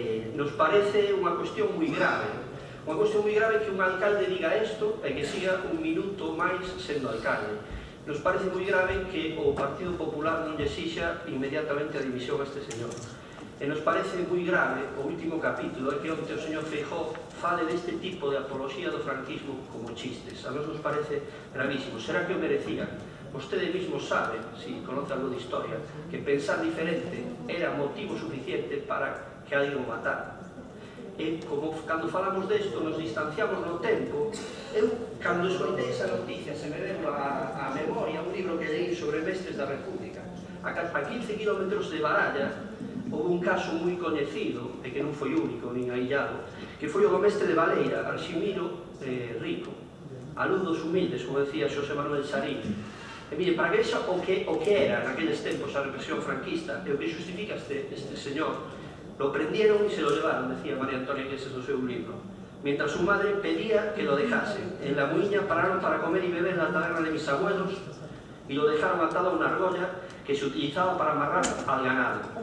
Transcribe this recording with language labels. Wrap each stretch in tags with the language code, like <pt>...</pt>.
<gl>Nos parece unha cuestión moi grave. Unha cuestión moi grave que un alcalde diga isto e que siga un minuto máis sendo alcalde. Nos parece moi grave que o Partido Popular non lle exixa inmediatamente a dimisión a este señor. E nos parece moi grave o último capítulo, que onte o señor Feijóo fale deste tipo de apoloxía do franquismo como chistes. A nos parece gravísimo. Será que o merecía? Vostede mismo sabe, si conoce algo de historia, que pensar diferente era motivo suficiente para que alguien o matara. E como cando falamos desto nos distanciamos no tempo, eu cando escoltei esa noticia se me vengo a memoria un libro que leí sobre mestres da República. A 15 kilómetros de Baralla houve un caso moi coñecido e que non foi único, nin aillado, que foi o do mestre de Baleira, Arximiro Rico, alumnos humildes, como decía Xosé Manuel Sarín. E mire, para que vexa o que era naqueles tempos a represión franquista e o que justifica este señor,</gl> <es>lo prendieron y se lo llevaron, decía María Antonia, que ese es su libro. Mientras su madre pedía que lo dejase. En la muiña pararon para comer y beber en la taberna de mis abuelos y lo dejaron atado a una argolla que se utilizaba para amarrar al ganado.</es>